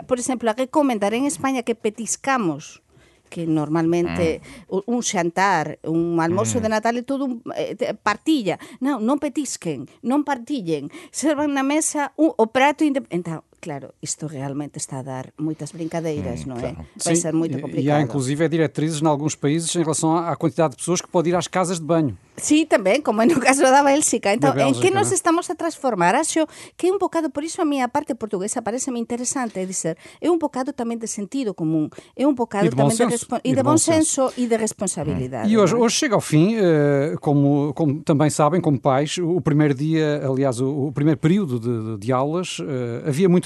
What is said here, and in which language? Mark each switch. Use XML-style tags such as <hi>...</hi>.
<gl>Por exemplo, a recomendar en España que petiscamos, que normalmente un xantar, un almoço de Natal é todo partilla. Non petisquen, non partillen. Servan na mesa o prato independente. Então, claro, isto realmente está a dar moitas brincadeiras, não é? Claro.</gl> <pt>Vai ser muito complicado. E há inclusive diretrizes em alguns países em relação à quantidade de pessoas que pode ir às casas de banho.</pt> <gl>Sí, tamén, como no caso da Bélxica. Então, Bélgica, en que nos estamos a transformar? Acho que é un bocado, por iso a minha parte portuguesa parece-me interesante dizer, é un bocado tamén de sentido comum, é un bocado tamén de bom senso e de responsabilidade.</gl> <pt>E hoje chega ao fim, como também sabem, como pais, o primeiro dia, aliás, o primeiro período de aulas, havia muito</pt>